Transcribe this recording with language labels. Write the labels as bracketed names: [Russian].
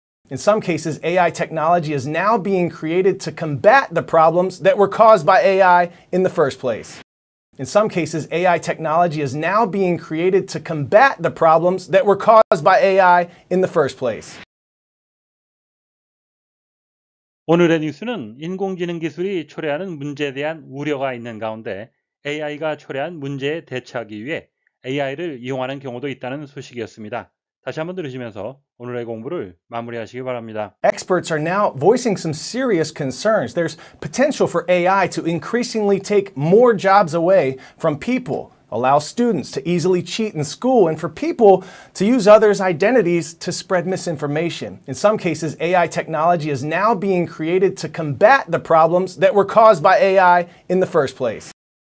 [English] In some cases, AI technology is now being created to combat the problems that were caused by AI in the first place. In some cases, AI technology is now being created to combat the problems that were caused by AI in the first place. [Korean] 오늘의 뉴스는 인공지능 기술이 초래하는 문제에 대한 우려가 있는 가운데 AI가 초래한 문제에 대처하기 위해 AI를 이용하는 경우도 있다는 소식이었습니다. 다시 한번 들으시면서 오늘의 공부를 마무리하시기 바랍니다. [English] Experts are now voicing some serious concerns. There's potential for AI to increasingly take more jobs away from people, allow students to easily cheat in school, and for people to use others' identities to spread misinformation. In some cases, AI technology is now being created to combat the problems that were caused by AI in the first place.